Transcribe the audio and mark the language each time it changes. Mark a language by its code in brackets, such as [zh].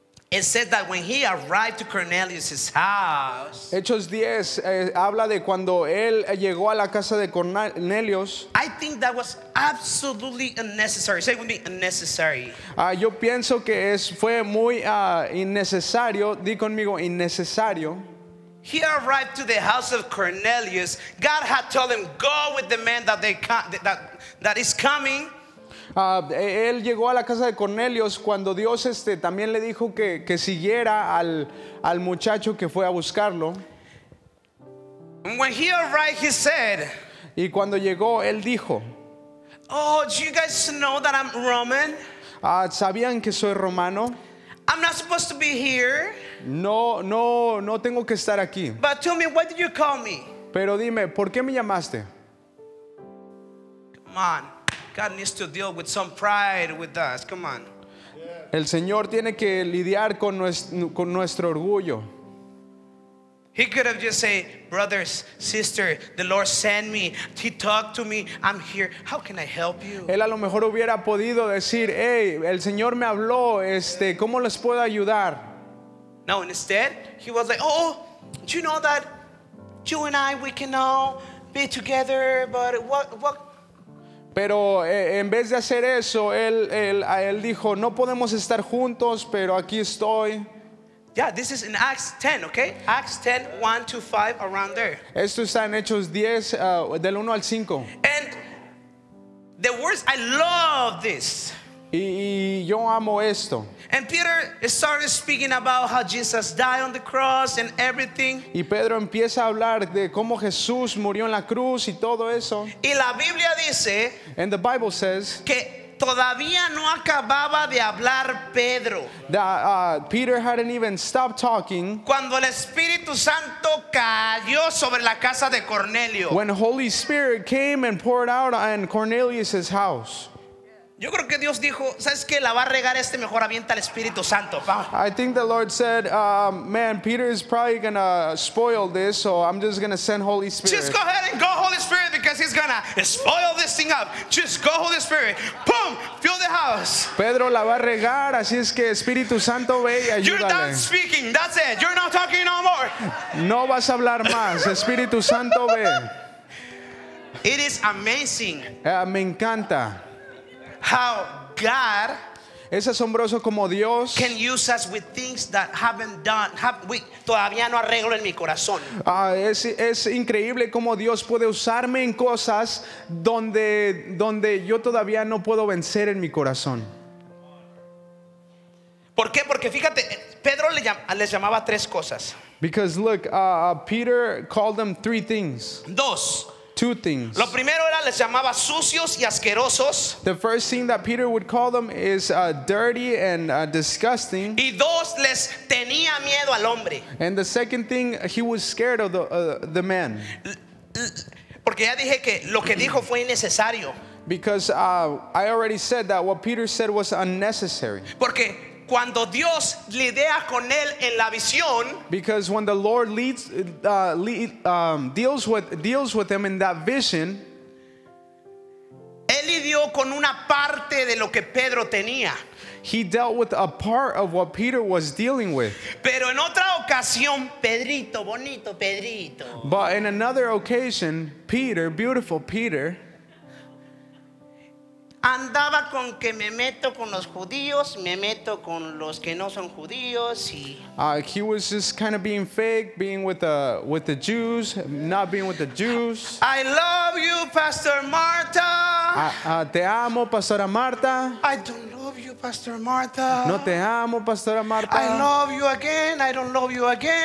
[en] it says that when he arrived to Cornelius' house. [es] Hechos 10 habla de cuando él llegó a la casa de Cornelius. [en] I think that was absolutely unnecessary. Say it with me, unnecessary. [es] Yo pienso que fue muy innecesario. Di conmigo, innecesario. [en] He arrived to the house of Cornelius. God had told him, go with the man that is coming. [es] Él llegó a la casa de Cornelius cuando Dios también le dijo que siguiera al muchacho que fue a buscarlo. [en] When he arrived, he said, [es] y cuando llegó, él dijo, [en] oh, do you guys know that I'm Roman? [es] ¿Sabían que soy romano? [en] I'm not supposed to be here. [es] No tengo que estar aquí. [en] But tell me, why did you call me? [es] Pero dime, ¿por qué me llamaste? [en] Come on. God needs to deal with some pride with us. Come on. [es] El Señor tiene que lidiar con nuestro orgullo. [en] He could have just said, brothers, sister, the Lord sent me. He talked to me. I'm here. How can I help you? [es] Él a lo mejor hubiera podido decir, hey, el Señor me habló. ¿Cómo les puedo ayudar? [en] No, instead, he was like, oh, do you know that you and I, we can all be together, but what? [es] Pero en vez de hacer eso, él dijo, no podemos estar juntos, pero aquí estoy. [en] Yeah, this is in Acts 10, okay? Acts 10, 1 to 5, around there. [es] Esto está en Hechos 10, del 1 al 5. [en] And the words, I love this. [es] Y yo amo esto. [en] And Peter started speaking about how Jesus died on the cross and everything. [es] Y Pedro empieza a hablar de cómo Jesús murió en la cruz y todo eso. Y la Biblia dice, [en] and the Bible says, [es] que todavía no acababa de hablar Pedro. [en] Peter hadn't even stopped talking. [es] Cuando el Espíritu Santo cayó sobre la casa de Cornelio. [en] When Holy Spirit came and poured out on Cornelius's house. [es] Yo creo que Dios dijo, ¿sabes qué? La va a regar mejor avienta al Espíritu Santo. [en] I think the Lord said, man, Peter is probably going to spoil this, so I'm just going to send Holy Spirit. Just go ahead and go Holy Spirit because he's going to spoil this thing up. Just go Holy Spirit. Boom, fill the house. [es] Pedro la va a regar, así es que Espíritu Santo ve y ayúdale. [en] You're done speaking. That's it. You're not talking no more. [es] No vas a hablar más. Espíritu Santo ve. [en] It is amazing. [es] Me encanta. [en] How God. [es] Es asombroso como Dios [en] can use us with things that haven't done. [es] Todavía no arreglo en mi corazón. Es increíble como Dios puede usarme en cosas donde yo todavía no puedo vencer en mi corazón. ¿Por qué? Porque fíjate, Pedro les llamaba tres cosas. [en] Because look, Peter called them three things. [es] Dos. [en] Two things. [es] Lo primero era les llamaba sucios y asquerosos. [en] The first thing that Peter would call them is dirty and disgusting. [es] Y dos, les tenía miedo al hombre. [en] And the second thing, he was scared of the man. [es] Porque ya dije que lo que dijo fue innecesario. [en] Because I already said that what Peter said was unnecessary. [es] Porque cuando Dios lidia con él en la visión, [en] because when the Lord deals with him in that vision, [es] él lidió con una parte de lo que Pedro tenía. [en] He dealt with a part of what Peter was dealing with. [es] Pero en otra ocasión, Pedrito, bonito Pedrito. [en] But in another occasion, Peter, beautiful Peter, [es] andaba con que me meto con los judíos, me meto con los que no son judíos y [en] he was just kind of being fake, being with the Jews, not being with the Jews. I love you, Pastor Marta. [es] Te amo, Pastora Marta. [en] I don't love you, Pastor Marta. [es] No te amo, Pastora Marta. [en] I love you again. I don't love you again.